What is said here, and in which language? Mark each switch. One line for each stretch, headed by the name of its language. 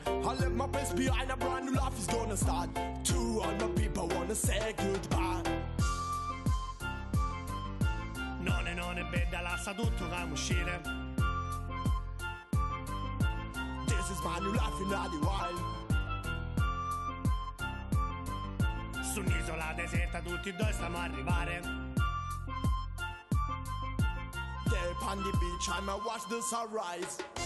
English: I left my best behind, a brand new life is gonna start. 200 people wanna say goodbye.
Italian: None, none, bella, lascia tutto, vamo uscire.
English: This is my new life in the wild.
Italian: Su un'isola deserta tutti e due stiamo a arrivare.
English: They're on the beach, I'ma watch the sunrise.